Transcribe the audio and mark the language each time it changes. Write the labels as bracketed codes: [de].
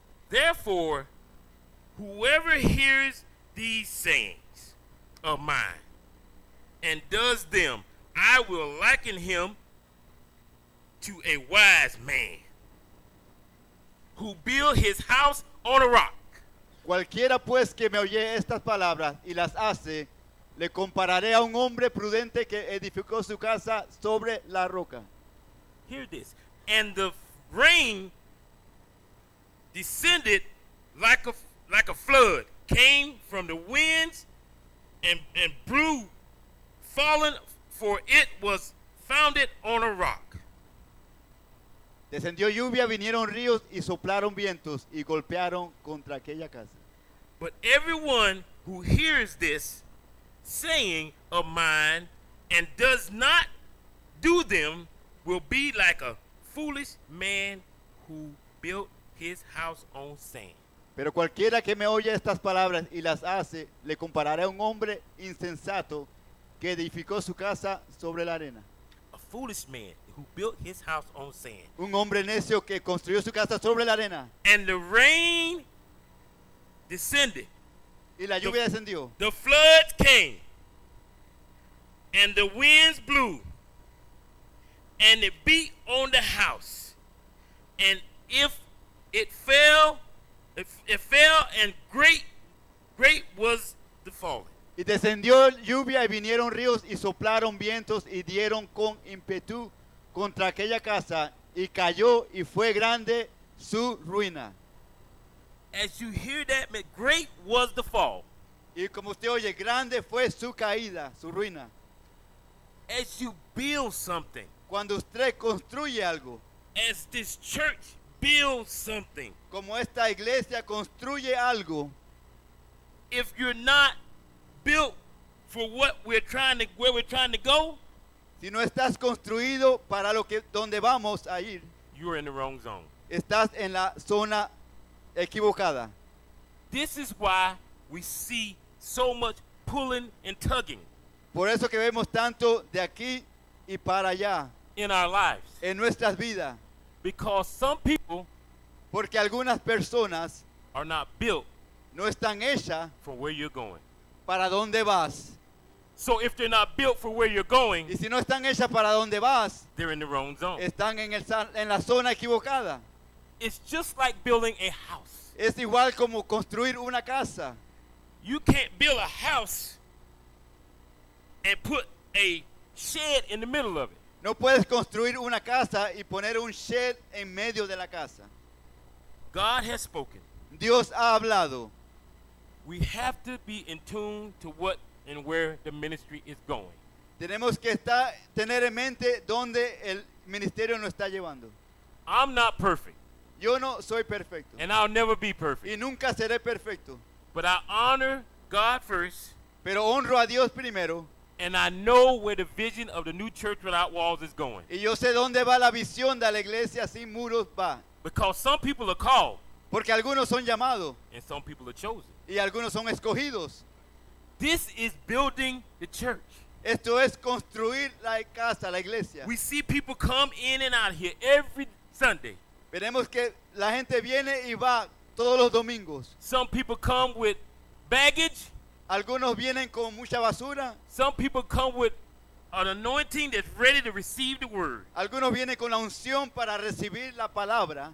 [en] Therefore, whoever hears these sayings of mine and does them, I will liken him to a wise man who built his house on a rock. [es] Cualquiera pues que me oye estas palabras y las hace, le compararé a un hombre prudente que edificó su casa sobre la roca. [en] Hear this. And the rain descended like a flood, came from the winds and blew, fallen, for it was founded on a rock. [es] Descendió lluvia, vinieron ríos y soplaron vientos y golpearon contra aquella casa. [en] But everyone who hears this saying of mine and does not do them will be like a foolish man who built his house on sand. [es] Pero cualquiera que me oye estas palabras y las hace, le compararé a un hombre insensato que edificó su casa sobre la arena. [en] A foolish man who built his house on sand. [es] Un hombre necio que construyó su casa sobre la arena. [en] And the rain descended. [es] Y la lluvia descendió. [en] The flood came. and the winds blew, and it beat on the house, and if it fell, it fell, and great was the falling. [es] Y descendió lluvia y vinieron ríos y soplaron vientos y dieron con ímpetu contra aquella casa y cayó y fue grande su ruina. [en] As you hear that, great was the fall. [es] Y como usted oye, grande fue su caída, su ruina. [en] As you build something. [es] Cuando usted construye algo. [en] As this church builds something. [es] Como esta iglesia construye algo. [en] If you're not built for what we're trying to, where we're trying to go. [es] Si no estás construido para lo que donde vamos a ir. [en] You're in the wrong zone. [es] Estás en la zona equivocada. [en] This is why we see so much pulling and tugging. [es] Por eso que vemos tanto de aquí y para allá. [en] In our lives. [es] En nuestras vidas. [en] Because some people. [es] Porque algunas personas. [en] Are not built. [es] No están hechas. [en] For where you're going. [es] ¿Para dónde vas? [en] So if they're not built for where you're going, [es] y si no están hechas para dónde vas, [en] they're in the wrong zone. [es] Están en la zona equivocada. [en] It's just like building a house. [es] Es igual como construir una casa. [en] You can't build a house and put a shed in the middle of it. [es] No puedes construir una casa y poner un shed en medio de la casa. [en] God has spoken. [es] Dios ha hablado. [en] We have to be in tune to what and where the ministry is going. [es] Tenemos que estar tener en mente dónde el ministerio nos está llevando. [en] I'm not perfect. [es] Yo no soy perfecto. [en] And I'll never be perfect. [es] Y nunca seré perfecto. [en] But I honor God first. [es] Pero honro a Dios primero. [en] And I know where the vision of the new church without walls is going. [es] Y yo sé dónde va la visión de la iglesia sin muros va. [en] Because some people are called. [es] Porque algunos son llamados. [en] And some people are chosen. [es] Y algunos son escogidos. [en] This is building the church. [es] Esto es construir la casa, la iglesia. [en] We see people come in and out here every Sunday. [es] Veremos que la gente viene y va todos los domingos. [en] Some people come with baggage. [es] Algunos vienen con mucha basura. [en] Some people come with an anointing that's ready to receive the word. [es] Algunos vienen con la unción para recibir la palabra.